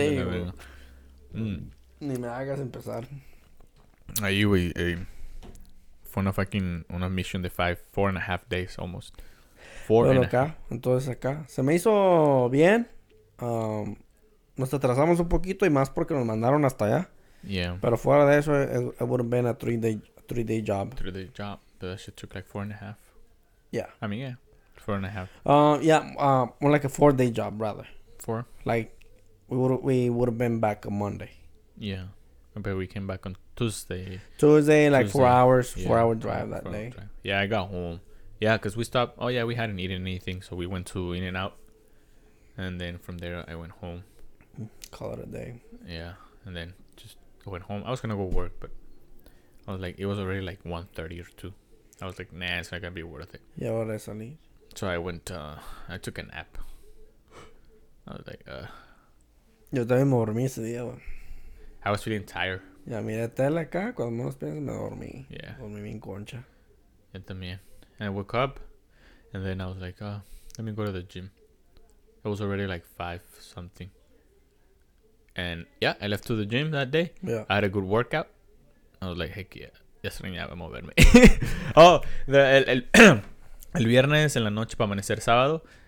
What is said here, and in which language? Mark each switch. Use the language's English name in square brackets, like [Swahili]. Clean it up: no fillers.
[Spanish] Sí, de la ni me hagas empezar. Ahí, güey. Fue una [English] fucking... [Spanish] Una [English] mission [Spanish] de 4.5 [English] days, almost. [Spanish] Entonces acá. Se me hizo bien. Nos atrasamos un poquito y más porque nos mandaron hasta allá. [English] Yeah. [Spanish] Pero fuera de eso, [English] it would have been a three day job. 3 day job. But that shit took like 4.5. Yeah. I mean, yeah. 4.5. More like a 4 day job, rather. 4? Like, we would have been back on Monday. Yeah. But we came back on Tuesday. Tuesday, like 4 hours, 4 hour drive that day. Yeah, I got home. Yeah, because we stopped. Oh, yeah, we hadn't eaten anything. So we went to In-N-Out. And then from there, I went home. Call it a day. Yeah. And then just went home. I was going to go work, but I was like, it was already like 1:30 or 2. I was like, nah, it's not gonna be worth it. Yeah, what did I say? So I went, I took a nap. I was like, [Spanish] Yo también me dormí ese día, man. [English] I was feeling tired. [Spanish] Ya miré tele acá, cuando menos pienso me dormí. [English] Yeah. [Spanish] Dormí bien concha. Yo también. [English] And I woke up, and then I was like, let me go to the gym. It was already like 5 something. And yeah, I left to the gym that day. Yeah. I had a good workout. I was like, heck yeah. [Spanish] ya extrañaba moverme. Oh, el viernes en la noche para amanecer sábado.